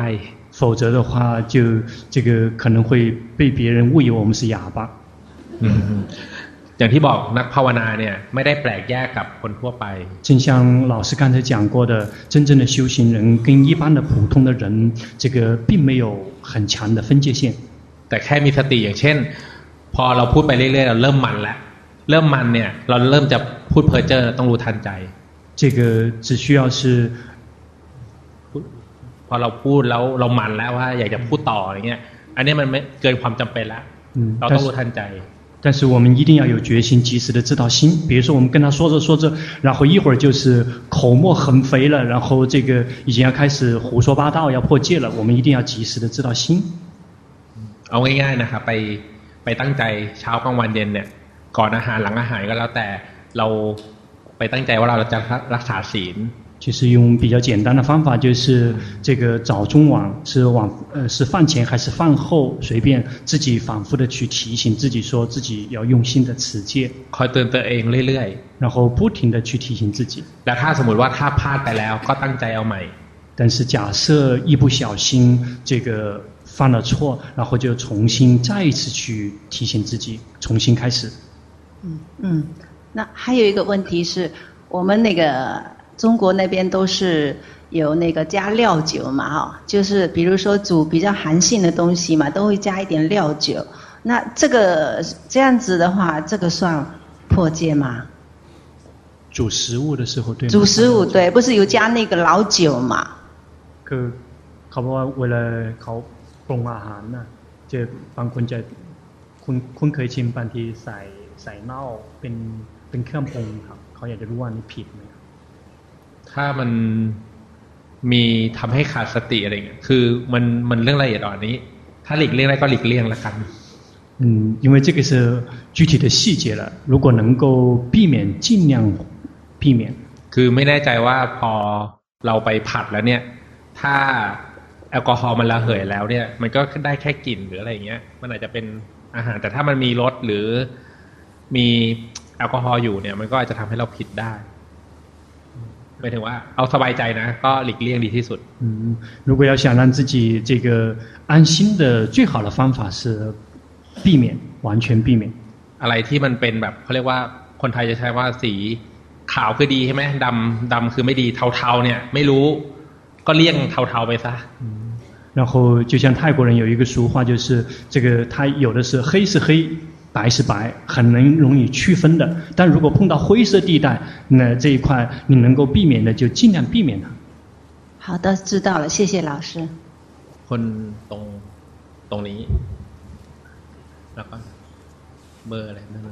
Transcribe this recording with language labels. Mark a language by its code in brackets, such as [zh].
[zh] 否则的话就这个可能会被别人误以为我们是哑巴 [th] อย่างที่บอกนักภาวนาเนี่ยไม่ได้แปลกแยกกับคนทั่วไป [zh] 正像老师刚才讲过的真正的修行人跟一般的普通的人这个并没有很强的分界线 [th] แต่แค่มีสติอย่างเช่นพอเราพูดไปเรื่อยๆเราเริ่มมันแล้วเริ่มมันเนี่ยเราเริ่มจะพูดเพ้อเจ้อต้องรู้ทันใจ [zh] 这个只需要是 [th] พอเราพูดแล้วเรามันแล้วว่าอยากจะพูดต่ออะไรเงี้ยอันนี้มันเกินความจำเป็นแล้วเราต้องรู้ทันใจ [zh] 但是我们一定要有决心及时的知道心比如说我们跟他说着说着然后一会儿就是口沫横飞了然后这个已经要开始胡说八道要破戒了我们一定要及时的知道心 [th] เอาง่ายๆนะครับไปตั้งใจเช้ากลางวันเย็นเนี่ยก่อนอาหารหลังอาหารก็แล้วแต่เราไปตั้งใจว่าเราจะรักษาศีล [zh] 就是用比较简单的方法就是这个早中晚是饭前还是饭后随便自己反复的去提醒自己说自己要用心的持戒 [th] คอยเตือนตัวเองเรื่อย [zh] ๆ然后不停的去提醒自己 [th] แล้วถ้าสมมติว่าถ้าพลาดไปแล้วก็ตั้งใจเอาใหม่ [zh] 但是假设一不小心这个犯了错然后就重新再一次去提醒自己重新开始那还有一个问题是我们那个中国那边都是有那个加料酒嘛哈就是比如说煮比较寒性的东西嘛都会加一点料酒那这个这样子的话这个算破戒吗煮食物的时候对吗？煮食物对，不是有加那个老酒吗？ [th] คือเขาบอกว่าเวลาเขาปรุงอาหารน่ะจะบางคนจะคุ้นเคยชิมบางทีใส่เน่าเป็นเครื่องปรุงครับเขาอยากจะรู้ว่านี่ผิดไหม ถ้ามันมีทำให้ขาดสติอะไรเงี้ยคือมันเรื่องละเอียดอ่อนนี้ถ้าหลีกเลี่ยงได้ก็หลีกเลี่ยงละกัน [zh] 因为这个是具体的细节了如果能够避免尽量避免 [th] คือไม่แน่ใจว่าพอเราไปผัดแล้วเนี่ยถ้าแอลกอฮอล์มันระเหยแล้วเนี่ยมันก็ได้แค่กลิ่นหรืออะไรเงี้ยมันอาจจะเป็นอาหารแต่ถ้ามันมีรสหรือมีแอลกอฮอล์อยู่เนี่ยมันก็อาจจะทำให้เราผิดได้หมายถึงว่าเอาสบายใจนะก็หลีกเลี่ยงดีที่สุด [zh] 如果要想让自己这个安心的最好的方法是避免完全避免 [th] อะไรที่มันเป็นแบบเขาเรียกว่าคนไทยจะใช้ว่าสีขาวคือดีใช่ไหมดำคือไม่ดีเทาๆเนี่ยไม่รู้ก็เลี่ยงเทาๆไปซะ [zh] 然后就像泰国人有一个俗话就是这个他有的是黑是黑白是白很能容易区分的但如果碰到灰色地带那这一块你能够避免的就尽量避免它好的知道了谢谢老师 [th] คนตรงนี้แล้วก็เบอร์อะไรนั่น